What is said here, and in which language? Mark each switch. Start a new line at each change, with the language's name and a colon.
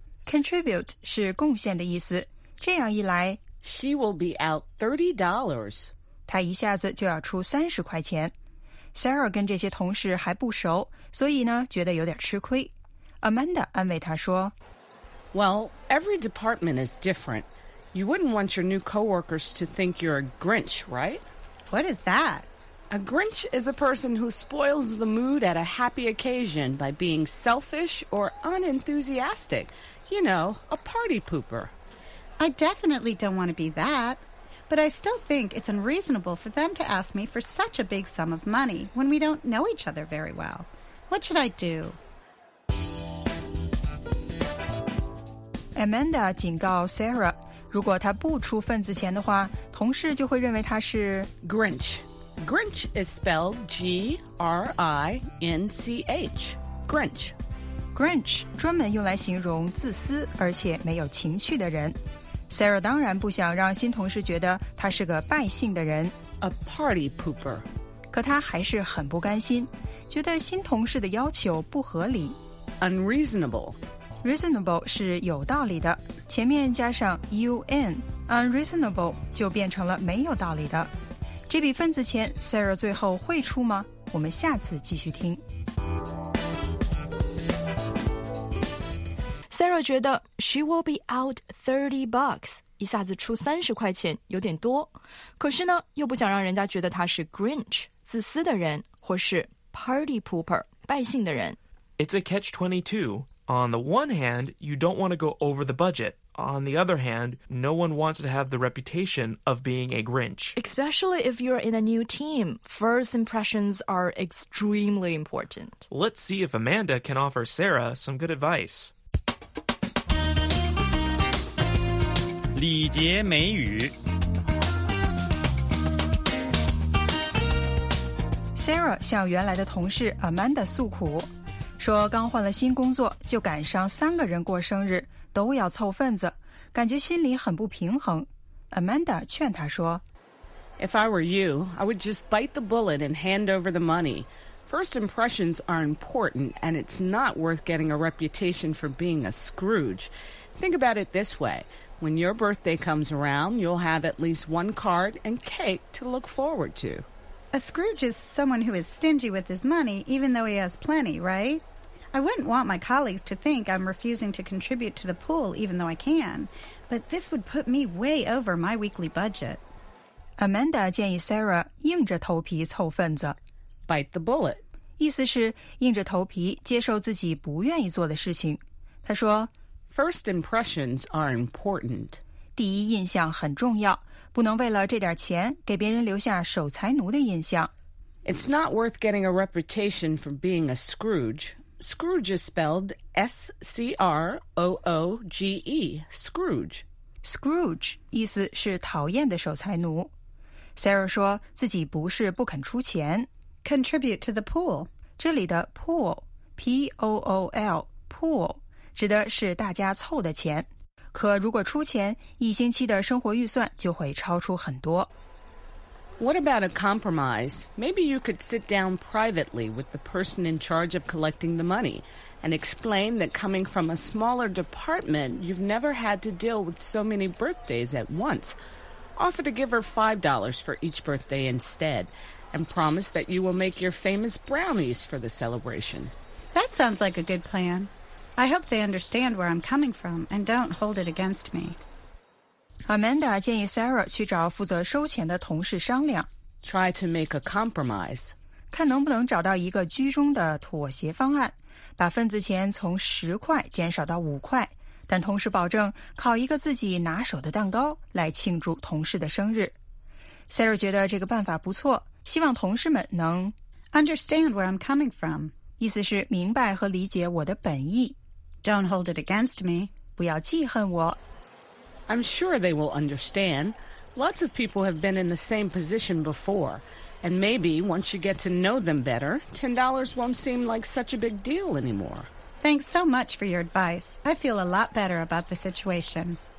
Chinese: Contribute 是贡献的意思。这样一来，
English: She will be out $30.
Chinese: 她一下子就要出30块钱。 Sarah 跟这些同事还不熟，所以呢觉得有点吃亏。 Amanda 安慰她说，
English: Well, every department is different. You wouldn't want your new coworkers to think you're a Grinch, right? What is that? A Grinch is a person who spoils the mood at a happy occasion by being selfish or unenthusiastic. You know, a party pooper. I definitely don't want to be that. But I still think it's unreasonable for them to ask me for such a big sum of money when we don't know each other very well. What should I do?
Chinese: Amanda 警告 Sarah， 如果她不出份子钱的话，同事就会认为她是
English: Grinch。 Grinch is spelled G-R-I-N-C-H. Grinch.
Chinese: Grinch 专门用来形容自私而且没有情趣的人。 Sarah 当然不想让新同事觉得他是个败兴的人。
English: A party pooper.
Chinese: 可他还是很不甘心，觉得新同事的要求不合理。
English: Unreasonable.
Chinese: Reasonable 是有道理的，前面加上 U-N, unreasonable 就变成了没有道理的。这笔份子钱 Sarah 最后会出吗？我们下次继续听。 Sarah 觉得
English: She will be out $30,
Chinese: 一下子出30块钱有点多，可是呢又不想让人家觉得她是 Grinch 自私的人，或是 Party pooper 败兴的人。
English: It's a catch-22. On the one hand, you don't want to go over the budgetOn the other hand, no one wants to have the reputation of being a Grinch. Especially if you're in a new team, first impressions are extremely important. Let's see if Amanda can offer Sarah some good advice.
Chinese: 礼节美语 Sarah 向原来的同事 Amanda 诉苦，说刚换了新工作，就赶上三个人过生日，都要凑份子，感觉心里很不平衡。 Amanda 劝她说
English: If I were you, I would just bite the bullet and hand over the money. First impressions are important, and it's not worth getting a reputation for being a Scrooge. Think about it this way. When your birthday comes around, you'll have at least one card and cake to look forward to. A Scrooge is someone who is stingy with his money, even though he has plenty, right? I wouldn't want my colleagues to think I'm refusing to contribute to the pool, even though I can. But this would put me way over my weekly budget.
Chinese: Amanda 建议 Sarah 硬着头皮凑份子。
English: Bite the bullet.
Chinese: 意思是硬着头皮接受自己不愿意做的事情。她说
English: First impressions are important.
Chinese: 第一印象很重要，不能为了这点钱给别人留下守财奴的印象。
English: It's not worth getting a reputation for being a Scrooge. Scrooge is spelled S-C-R-O-O-G-E, Scrooge.
Chinese: Scrooge 意思是讨厌的守财奴。Sarah 说自己不是不肯出钱。
English: Contribute to the pool.
Chinese: 这里的 pool, P-O-O-L, pool, 指的是大家凑的钱。可如果出钱，一星期的生活预算就会超出很多。
English: What about a compromise? Maybe you could sit down privately with the person in charge of collecting the money and explain that coming from a smaller department, you've never had to deal with so many birthdays at once. Offer to give her $5 for each birthday instead and promise that you will make your famous brownies for the celebration. That sounds like a good plan. I hope they understand where I'm coming from and don't hold it against me.
Chinese: Amanda 建议 Sarah 去找负责收钱的同事商量。
English: Try to make a compromise.
Chinese: 看能不能找到一个居中的妥协方案，把份子钱从10块减少到5块，但同时保证烤一个自己拿手的蛋糕来庆祝同事的生日。 Sarah 觉得这个办法不错，希望同事们能
English: Understand where I'm coming from.
Chinese: 意思是明白和理解我的本意。
English: Don't hold it against me.
Chinese: 不要记恨我。
English: I'm sure they will understand. Lots of people have been in the same position before. And maybe once you get to know them better, $10 won't seem like such a big deal anymore. Thanks so much for your advice. I feel a lot better about the situation.